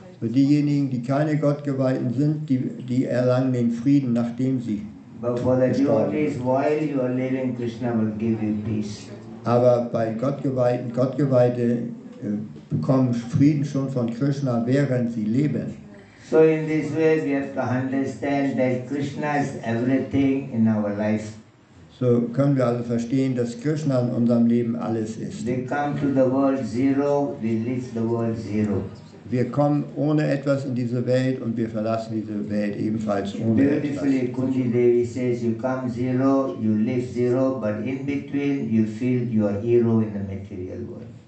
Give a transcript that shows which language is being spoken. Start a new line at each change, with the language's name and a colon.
German: Für diejenigen, die keine Gottgeweihten sind, die erlangen den Frieden, nachdem sie gestorben sind. Aber bei Gottgeweihten, Gottgeweihte bekommen Frieden schon von Krishna, während sie leben.
English: So in this way we have to understand that Krishna is everything in our life.
German: So können wir also verstehen, dass Krishna in unserem Leben alles ist.
English: We come to the world zero, we leave the world zero.
German: Wir kommen ohne etwas in diese Welt und wir verlassen diese Welt ebenfalls ohne etwas.
English: Beautifully, Kunti Devi says, you come zero, you live zero, but in between you feel you are hero in the material world.